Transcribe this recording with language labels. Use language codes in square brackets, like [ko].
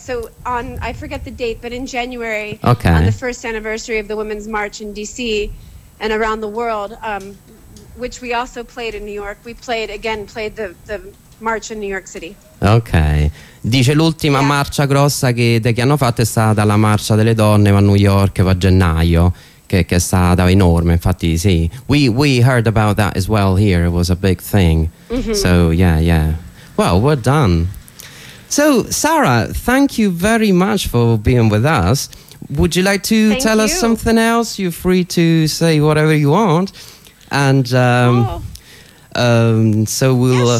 [en] So on, I forget the date, but in January, okay. On the first anniversary of the Women's March in D.C. and around the world, which we also played in New York. We played the march in New York City. Okay. [it] Dice l'ultima marcia grossa che hanno fatto è stata la marcia delle donne a New York a gennaio. Che è stata enorme, infatti sì. [en] We heard about that as well here. It was a big thing. Mm-hmm. So yeah. Well, we're done. So Sara, thank you very much for being with us. Would you like to tell us something else? You're free to say whatever you want. And so we'll